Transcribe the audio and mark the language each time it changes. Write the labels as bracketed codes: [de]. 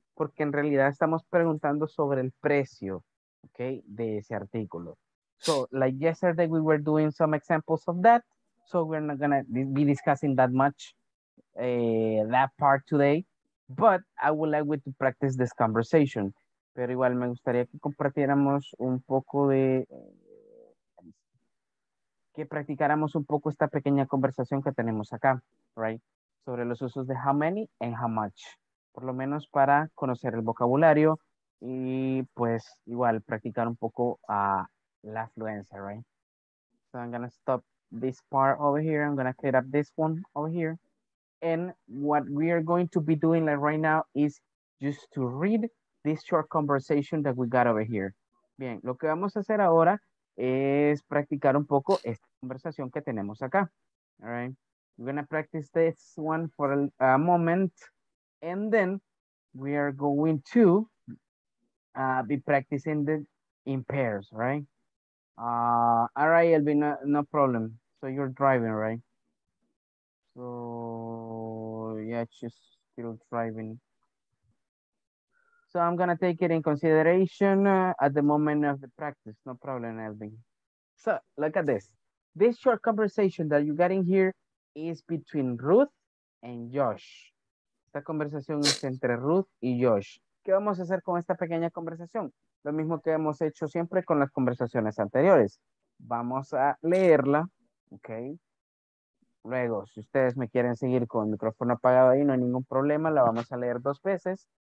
[es] Porque en realidad estamos preguntando sobre el precio, okay, de ese artículo. [en] So, like yesterday we were doing some examples of that, so we're not gonna be discussing that much, that part today, but I would like to practice this conversation. [es] Pero igual me gustaría que compartiéramos un poco de... que practicáramos un poco esta pequeña conversación que tenemos acá, right? Sobre los usos de how many and how much. Por lo menos para conocer el vocabulario y pues igual practicar un poco la fluencia, right? [en] So I'm gonna stop this part over here. I'm gonna clear up this one over here. And what we are going to be doing like right now is just to read this short conversation that we got over here. [es] Bien, lo que vamos a hacer ahora es practicar un poco esta conversación que tenemos acá. [en] All right. We're going to practice this one for a moment. And then we are going to be practicing it in pairs, right? All right, Elvin, no problem. So you're driving, right? So, yeah, she's still driving. So I'm gonna take it in consideration at the moment of the practice. No problem, Elvin. So look at this. This short conversation that you're getting here is between Ruth and Josh. [es] Esta conversación es entre Ruth y Josh. ¿Qué vamos a hacer con esta pequeña conversación? Lo mismo que hemos hecho siempre con las conversaciones anteriores. Vamos a leerla, okay? Luego, si ustedes me quieren seguir con el micrófono apagado ahí, no hay ningún problema, la vamos a leer dos veces.